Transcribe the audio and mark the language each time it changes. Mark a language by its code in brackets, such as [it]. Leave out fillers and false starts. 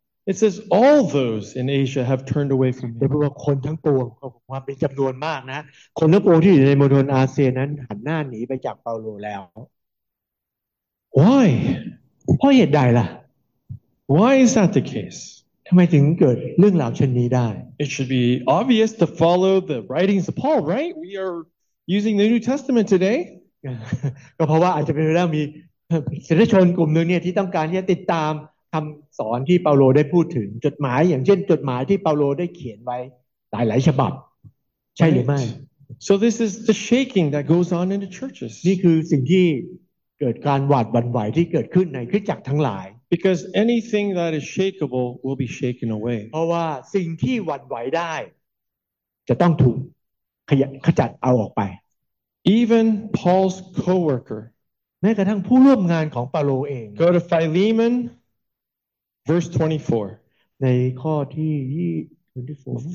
[en] It says all those in Asia have turned away from him. [th] แปลว่าคนทั้งปวงมันเป็นจำนวนมากนะคนทั้งปวงที่อยู่ในมณฑลอาเซียนนั้นหันหน้าหนีไปจากเปาโลแล้ว [en] Why? [th] เพราะเหตุใดล่ะ [en] Why is that the case? [th] ทำไมถึงเกิดเรื่องราวเช่นนี้ได้ [en] It should be obvious to follow the writings of Paul, right? We are using the New Testament today. [th] ก็เพราะว่าอาจจะเป็นเรื่องมีศิษยชนกลุ่มนึงเนี่ยที่ต้องการที่จะติดตามคำสอนที่เปาโลได้พูดถึงจดหมายอย่างเช่นจดหมายที่เปาโลได้เขียนไว้หลายหลายฉบับใช่หรือไม่ [en] So this is the shaking that goes on in the churches. [th] นี่คือสิ่งที่เกิดการหวาดหวั่นไหวที่เกิดขึ้นในคริสตจักรทั้งหลาย [en] Because anything that is shakeable will be shaken away. [th] เพราะว่าสิ่งที่หวั่นไหวได้จะต้องถูกขจัดเอาออกไป [en] Even Paul's co-worker. [th] แม้กระทั่งผู้ร่วมงานของเปาโลเอง [en] Go to Philemon, verse 24. [th] ในข้อที่24.